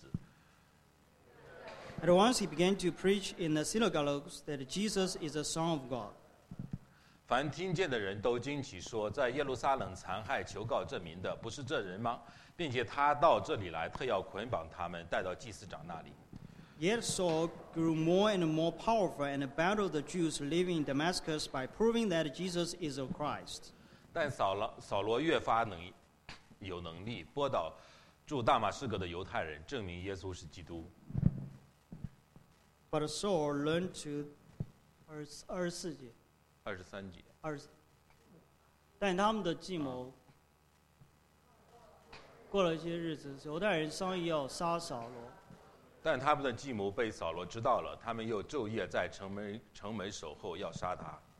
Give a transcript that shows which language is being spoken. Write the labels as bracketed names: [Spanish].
[English] once he began to preach in the synagogues that Jesus is the Son of God. [Chinese] 凡听见的人都惊奇说，在耶路撒冷残害求告这名的不是这人吗？并且他到这里来，特要捆绑他们，带到祭司长那里。 [English] Yet Saul grew more and more powerful and battled the Jews living in Damascus by proving that Jesus is the Christ. [Chinese] 但扫罗越发有能力拨倒住大马士革的犹太人，证明耶稣是基督。 [English] But Saul learned to [Chinese] 二十三节。但他们的计谋过了一些日子，犹太人商议要杀扫罗。但他们的计谋被扫罗知道了，他们又昼夜在城门守候要杀他。